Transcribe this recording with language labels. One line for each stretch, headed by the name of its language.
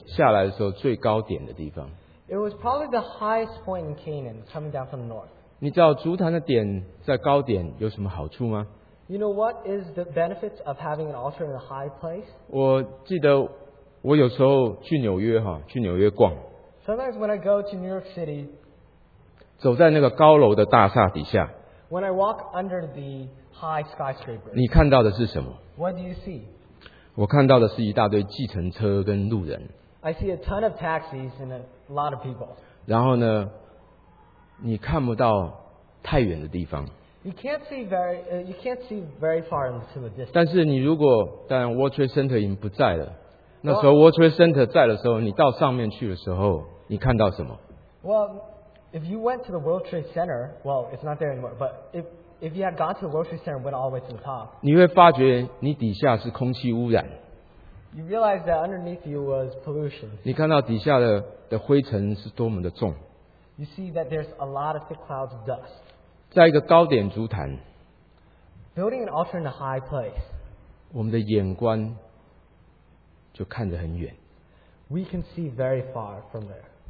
Chinese: 那大概是迦南的从北下来的时候最高点的地方。
English: It was probably the highest point in Canaan coming down from the north.
Chinese: 你知道筑坛的点在高点有什么好处吗?
English: You know what is the benefits of having an altar in a high place?
Chinese: 我记得我有时候去纽约逛。
English: Sometimes when I go to New York City,
Chinese: 走在那个高楼的大厦底下,
English: when I walk under the high skyscraper,
Chinese: 你看到的是什么?
English: What do you see?
Chinese: 我看到的是一大堆计程车跟路人。
English: I see a ton of taxis and a lot of people.
Chinese: 然后呢, 你看不到太远的地方。
English: You can't see very far into a distance.
Chinese: 但 World Trade Center 已经不在了, 那时候 World Trade Center 在的时候, 你到上面去的时候, 你看到什么?
English: Well, if you went to the World Trade Center, well, it's not there anymore, but if you had gone to the World Trade Center and went all the way to the top,
Chinese: 你会发觉你底下是空气污染,
English: you realize that underneath you was pollution.
Chinese: 你看到底下的灰尘是多么的重,
English: you see that there's a lot of thick clouds of dust.
Chinese: 在一个高点足坛,
English: building an altar in a high place,
Chinese: 我们的眼观就看得很远,
English: we can see very far from there.